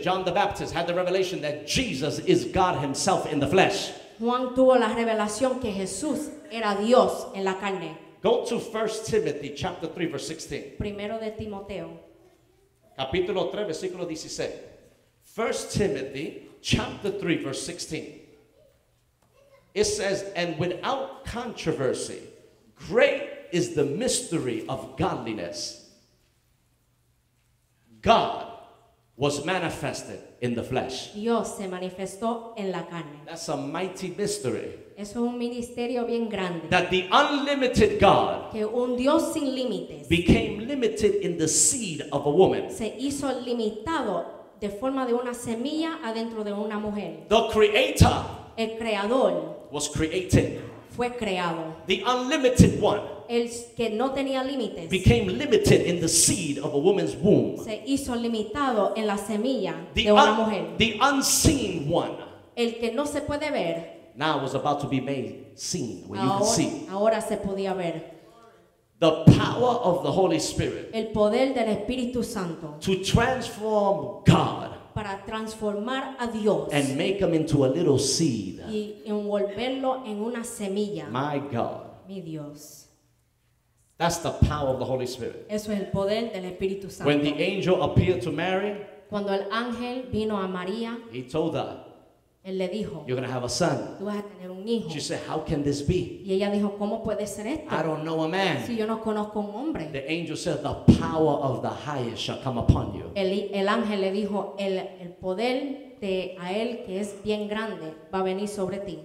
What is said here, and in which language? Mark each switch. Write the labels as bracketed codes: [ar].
[en] John the Baptist had the revelation that Jesus is God himself in the flesh. [es] Juan tuvo la revelación que Jesús era Dios en la carne. [en] Go to 1 Timothy chapter 3 verse 16. [es] Primero de Timoteo. Capítulo 3, versículo 16. [en] 1 Timothy, chapter 3, verse 16. It says, and without controversy, great is the mystery of godliness. God, was manifested in the flesh. [es] Dios se manifestó en la carne. [en] That's a mighty mystery. [es] Eso es un ministerio bien grande. [en] That the unlimited God, [es] que un Dios sin límites, [en] became limited in the seed of a woman. [es] Se hizo limitado de forma de una semilla adentro de una mujer. [en] The creator, [es] el creador, [en] was created. [es] Fue creado. [en] The unlimited one, [es] el que no tenía límites, [en] became limited in the seed of a woman's womb. [es] Se hizo limitado en la semilla de una mujer. [en] The unseen one, [es] el que no se puede ver, [en] now was about to be made seen, where [es] ahora, [en] you can see. [es] Ahora se podía ver. [en] The power of the Holy Spirit, [es] el poder del Espíritu Santo, [en] to transform God, [es] para transformar a Dios, [en] and make him into a little seed, [es] y envolverlo en una semilla. [en] My God, [es] mi Dios. [en] That's the power of the Holy Spirit. [es] Eso es el poder del Espíritu Santo. [en] When the angel appeared to Mary, [es] cuando el ángel vino a María, [en] he told her, [es] él le dijo, [en] you're going to have a son. [es] Tú vas a tener un hijo. [en] She said, how can this be? [es] Y ella dijo, ¿cómo puede ser esto? [en] I don't know a man. [es] Si yo no conozco un hombre. [en] The angel said, the power of the highest shall come upon you. [es] El ángel le dijo, el poder de a él que es bien grande va a venir sobre ti.